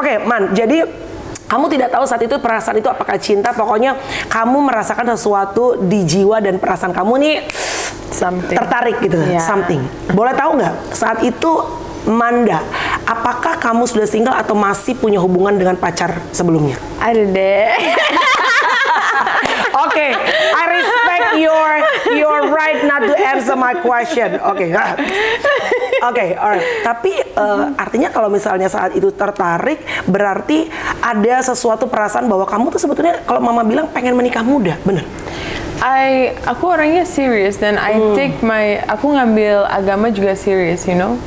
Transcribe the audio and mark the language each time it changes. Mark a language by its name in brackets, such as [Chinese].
[Indonesian] oke okay, Man, jadi kamu tidak tahu saat itu perasaan itu apakah cinta, pokoknya kamu merasakan sesuatu di jiwa dan perasaan kamu nih [English] something. [Indonesian] Tertarik gitu, [English] yeah. something. [Indonesian] Boleh tahu nggak saat itu Manda, apakah kamu sudah single atau masih punya hubungan dengan pacar sebelumnya? Aduh deh. [English] Oke, okay, I respect your right not to answer my question. Oke, okay. Oke, okay, alright. [Indonesian] Tapi artinya kalau misalnya saat itu tertarik, berarti ada sesuatu perasaan bahwa kamu tuh sebetulnya kalau mama bilang pengen menikah muda, benar? Aku orangnya serious dan [English] I take my, [Indonesian] aku ngambil agama juga serious, [English] you know.